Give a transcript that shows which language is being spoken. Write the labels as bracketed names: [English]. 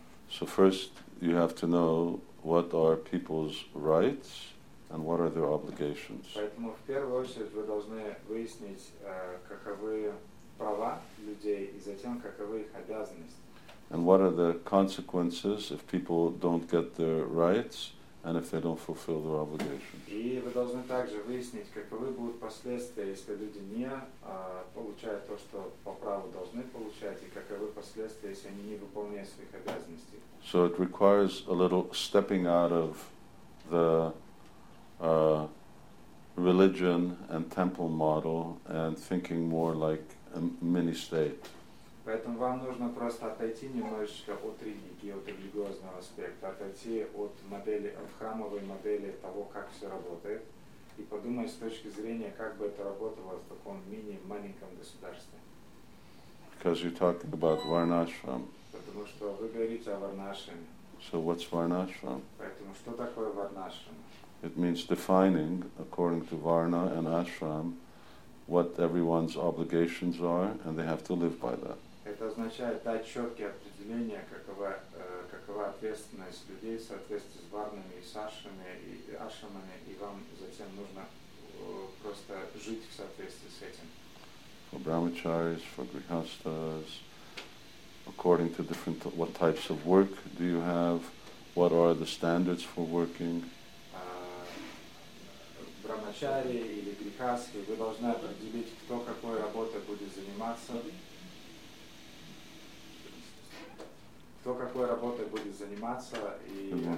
[English] So first, you have to know what are people's rights and what are their obligations. And what are the consequences if people don't get their rights and if they don't fulfill their obligations? [Russian] И вы должны также выяснить, каковы будут последствия, если люди не получают то, что по праву должны получать, и каковы последствия, если они не выполняют своих обязанностей. [English] So it requires a little stepping out of the religion and temple model and thinking more like a mini-state. [Russian] Поэтому вам нужно просто отойти немножечко от религии, от религиозного аспекта, отойти от модели, от храмовой модели того, как все работает, и подумать с точки зрения, как бы это работало в таком мини-маленьком государстве. [English] Because you're talking about Varnashram. [Russian] Потому что вы говорите о Варнашраме. [English] So what's Varnashram? [Russian] Поэтому что такое Варнашрам? [English] It means defining, according to Varna and Ashram, what everyone's obligations are, and they have to live by that. [Russian] Это означает дать четкие определения, какова ответственность людей в соответствии с варнами и ашрамами, и вам затем нужно просто жить в соответствии с этим. [English] For brahmacharis, for grihasthas, according to different, what types of work do you have, what are the standards for working? [Russian] Брамачари или грихасхи, вы должны определить, кто какой работой будет заниматься. Кто какой работой будет заниматься и...